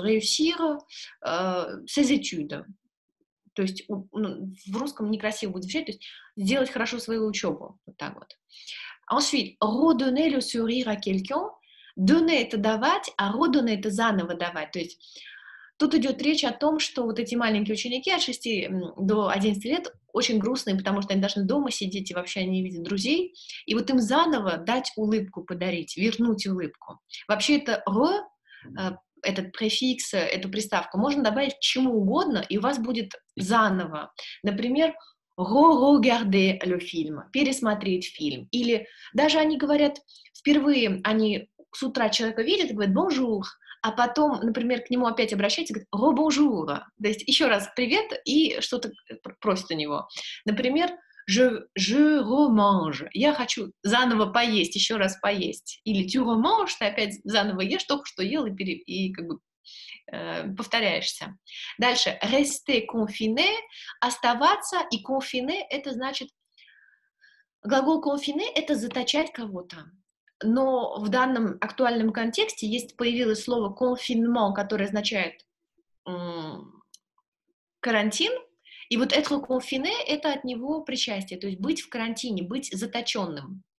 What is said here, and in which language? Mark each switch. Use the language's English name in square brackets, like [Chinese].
[French] Réussir ses études. [Russian] То есть в русском некрасиво будет звучать, то есть сделать хорошо свою учебу. Вот так вот. [French] Ensuite, redonner le sourire à quelqu'un. [Russian] Donner — это давать, а redonner — это заново давать. То есть тут идет речь о том, что вот эти маленькие ученики от 6 до 11 лет очень грустные, потому что они должны дома сидеть и вообще не видят друзей. И вот им заново дать улыбку подарить, вернуть улыбку. Вообще это «re», этот префикс, эту приставку, можно добавить к чему угодно, и у вас будет заново. Например, [French] «re-regarder le film», [Russian] пересмотреть фильм. Или даже они говорят, впервые они с утра человека видят и говорят «bonjour», а потом, например, к нему опять обращается и говорит «ро бонжура». То есть еще раз «привет» и что-то просит у него. [French] Например, «je remange». [Russian] «Я хочу заново поесть, еще раз поесть». Или [French] «tu remange», [Russian] ты опять заново ешь, только что ел и как бы повторяешься. Дальше. [French] «Rester confiné» — оставаться. [Russian] И «confiné» — это значит... Глагол «confiné» — это «заточать кого-то». Но в данном актуальном контексте есть появилось слово confinement, которое означает карантин. И вот [French] être confiné [Russian] — это от него причастие, то есть быть в карантине, быть заточенным.